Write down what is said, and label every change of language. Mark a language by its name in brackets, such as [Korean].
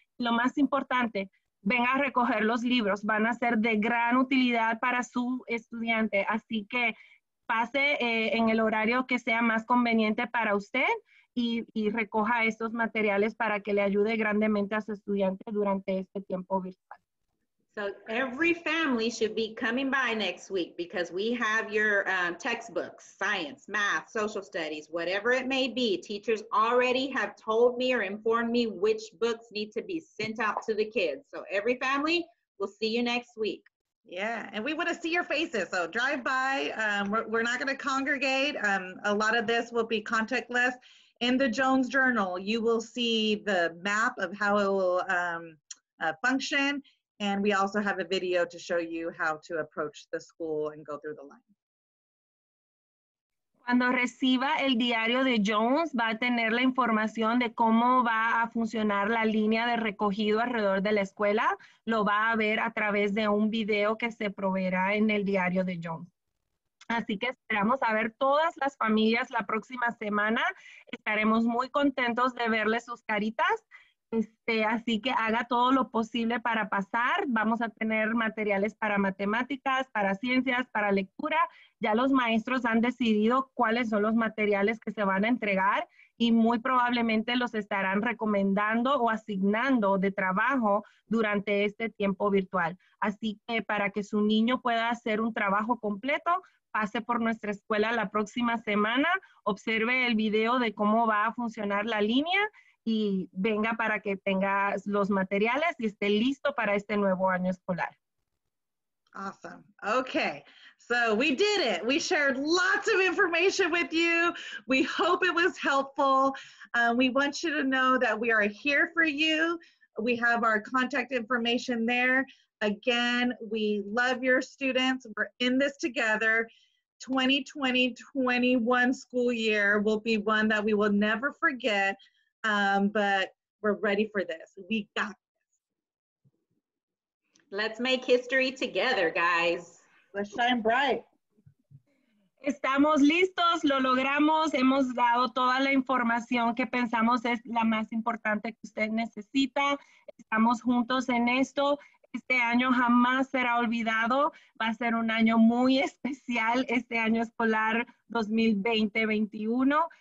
[Spanish] Lo más importante, venga a recoger los libros, van a ser de gran utilidad para su estudiante. Así que pase en el horario que sea más conveniente para usted y recoja estos materiales para que le ayude grandemente a su estudiante durante este tiempo virtual. [English] So every family should be coming by next week because we have your textbooks, science, math, social studies, whatever it may be. Teachers already have told me or informed me which books need to be sent out to the kids. So every family, we'll see you next week. Yeah, and we want to see your faces. So drive by. We're not going to congregate. A lot of this will be contactless. In the Jones Journal, you will see the map of how it will function. And we also have a video to show you how to approach the school and go through the line. [Spanish] Cuando reciba el diario de Jones, va a tener la información de cómo va a funcionar la línea de recogido alrededor de la escuela. Lo va a ver a través de un video que se proveerá en el diario de Jones. Así que esperamos a ver todas las familias la próxima semana. Estaremos muy contentos de verles sus caritas. Así que haga todo lo posible para pasar. Vamos a tener materiales para matemáticas, para ciencias, para lectura. Ya los maestros han decidido cuáles son los materiales que se van a entregar y muy probablemente los estarán recomendando o asignando de trabajo durante este tiempo virtual. Así que para que su niño pueda hacer un trabajo completo, pase por nuestra escuela la próxima semana, observe el video de cómo va a funcionar la línea y venga para que tenga los materiales y esté listo para este nuevo año escolar. [English] Awesome. Okay, so we did it. We shared lots of information with you. We hope it was helpful. We want you to know that we are here for you. We have our contact information there. Again, we love your students. We're in this together. 2020-21 school year will be one that we will never forget, but we're ready for this. We got this. Let's make history together, guys. Let's shine bright. [Spanish] Estamos listos, lo logramos, hemos dado toda la información que pensamos es la más importante que usted necesita. Estamos juntos en esto. Este año jamás será olvidado. Va a ser un año muy especial, este año escolar 2020-21.